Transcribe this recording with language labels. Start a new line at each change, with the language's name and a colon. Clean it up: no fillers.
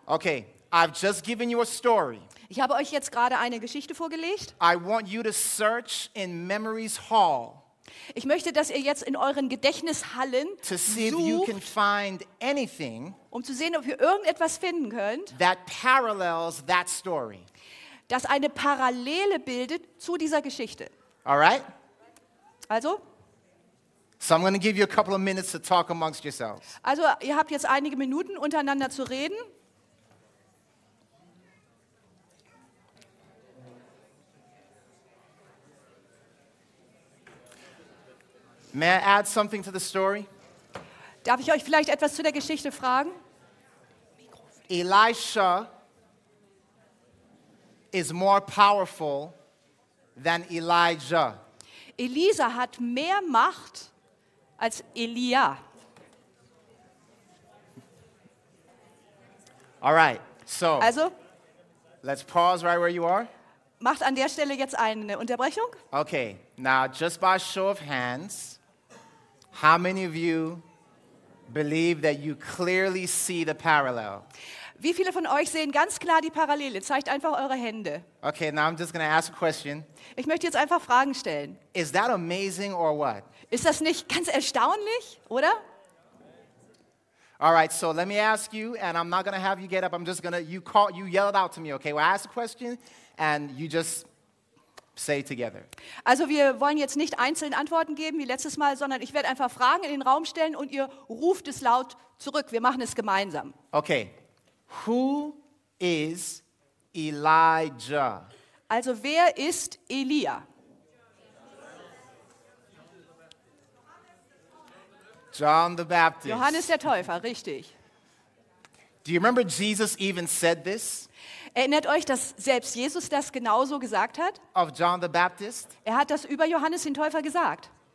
English: Okay, I've just given you a story.
German: Ich habe euch jetzt gerade eine Geschichte vorgelegt.
English: I want you to search in Memories Hall.
German: Ich möchte, dass ihr jetzt in euren Gedächtnishallen
English: to see
German: sucht,
English: if you can find anything,
German: um zu sehen, ob ihr irgendetwas finden könnt,
English: that parallels that story.
German: Das eine Parallele bildet zu dieser Geschichte.
English: All right?
German: Also?
English: So I'm going to give you a couple of minutes to talk amongst yourselves.
German: Also, ihr habt jetzt einige Minuten untereinander zu reden.
English: May I add something to the story?
German: Darf ich euch vielleicht etwas zu der Geschichte fragen?
English: Elisha is more powerful than Elijah.
German: Elisa hat mehr Macht als Elia.
English: All right. So.
German: Also.
English: Let's pause right where you are.
German: Macht an der Stelle jetzt eine Unterbrechung.
English: Okay. Now, just by show of hands. How many of you believe that you clearly see the parallel?
German: Wie viele von euch sehen ganz klar die Parallele? Zeigt einfach eure Hände.
English: Okay, now I'm just going to ask a question.
German: Ich möchte jetzt einfach Fragen stellen.
English: Is that amazing or what?
German: Ist das nicht ganz erstaunlich, oder?
English: All right, so let me ask you, and I'm not going to have you get up. I'm just going to, you yell it out to me, okay? Well, I ask a question, and you just say together.
German: Also wir wollen jetzt nicht einzeln Antworten geben, wie letztes Mal, sondern ich werde einfach Fragen in den Raum stellen, und ihr ruft es laut zurück. Wir machen es gemeinsam.
English: Okay. Who is Elijah?
German: Also wer ist Elia?
English: John the Baptist.
German: Johannes der Täufer, richtig.
English: Do you remember Jesus even said this?
German: Erinnert euch, dass selbst Jesus das genauso gesagt hat?
English: Of John the Baptist?
German: Er hat das über Johannes den Täufer gesagt.